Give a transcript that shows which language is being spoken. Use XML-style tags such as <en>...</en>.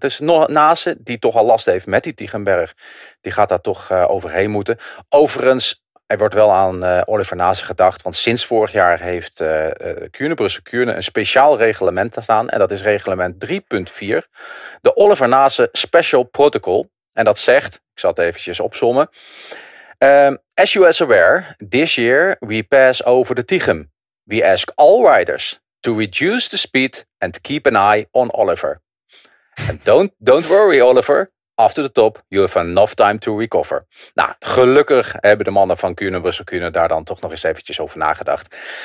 <nl>Dus Nase, die toch al last heeft met die Tiegenberg, die gaat daar toch overheen moeten. Overigens, er wordt wel aan Oliver Nase gedacht. Want sinds vorig jaar heeft Brussel-Kuurne een speciaal reglement staan. En dat is reglement 3.4. De Oliver Nase Special Protocol. En dat zegt, ik zal het eventjes opzommen.</nl> <en>As you are aware, this year we pass over the Tiegem. We ask all riders to reduce the speed and keep an eye on Oliver. And don't worry, Oliver. After the top, you have enough time to recover.</en> <nl>Nou, gelukkig hebben de mannen van Kuurne, Brussel-Kuurne daar dan toch nog eens eventjes over nagedacht.</nl>